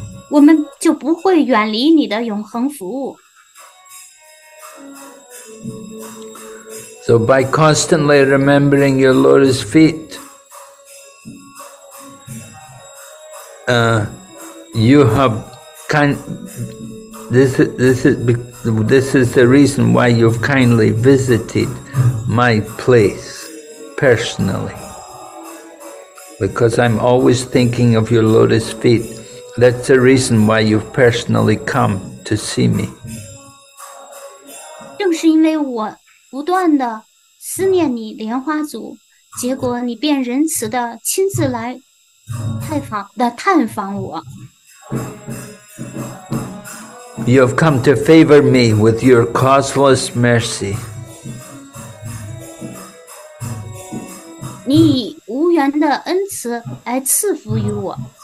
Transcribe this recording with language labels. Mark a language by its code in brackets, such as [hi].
[zh] 我们就不会远离你的永恒服务。 [en] So by constantly remembering your lotus feet, this is the reason why you've kindly visited my place personally. Because I'm always thinking of your lotus feet. That's the reason why you've personally come to see me. [zh] 正是因为我不断的思念你莲花族，结果你便仁慈的亲自来探访我。 [en] You have come to favor me with your causeless mercy. [zh] 你以无缘的恩慈来赐福于我。